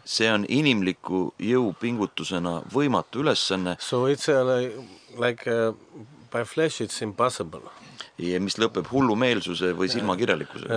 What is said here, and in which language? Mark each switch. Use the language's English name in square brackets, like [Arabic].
[Estonian] See on inimliku jõu pingutusena võimatu ülesanne. [English] So it's like by flesh it's impossible. [Estonian] Ja mis lõpeb hullumeelsuse või silmakirjalikuse.